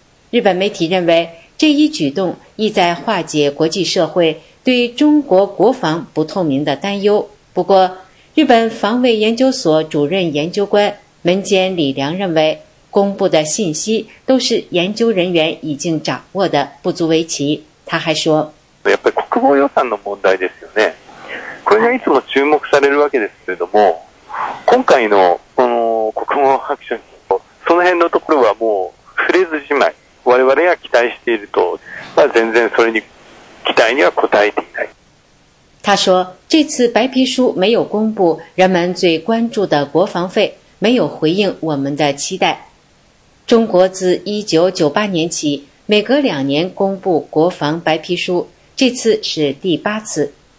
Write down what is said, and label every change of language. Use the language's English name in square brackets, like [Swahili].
[Chinese] 日本媒体认为，这一举动意在化解国际社会对中国国防不透明的担忧。不过，日本防卫研究所主任研究官门间李良认为，公布的信息都是研究人员已经掌握的，不足为奇。他还说， [Japanese] やっぱり国防予算の問題ですよね。これがいつも注目されるわけですけれども、今回のこの国防白書にその辺のところはもう触れずじまい。我々が期待していると、まあ全然それに期待には応えていない。 [Chinese] 他说，这次白皮书没有公布人们最关注的国防费，没有回应我们的期待。中国自1998年起，每隔两年公布国防白皮书，这次是第八次。